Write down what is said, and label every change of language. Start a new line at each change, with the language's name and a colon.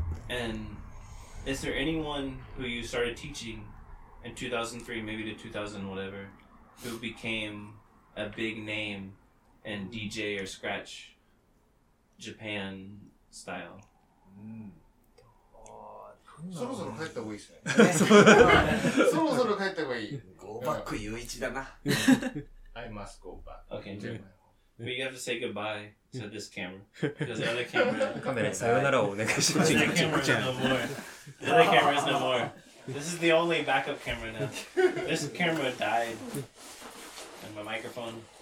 English: And is there anyone who you started teaching in 2003, maybe to 2000, whatever, who became a big name in DJ or Scratch Japan style?
Japanese: そろそろ帰った方がいいですね。
English: Go back, Yuichi
Japanese: だな。
English: I must go back. Okay, But you have to say goodbye to this camera. Because the other camera is no more. This is the only backup camera now. This camera died. And my microphone.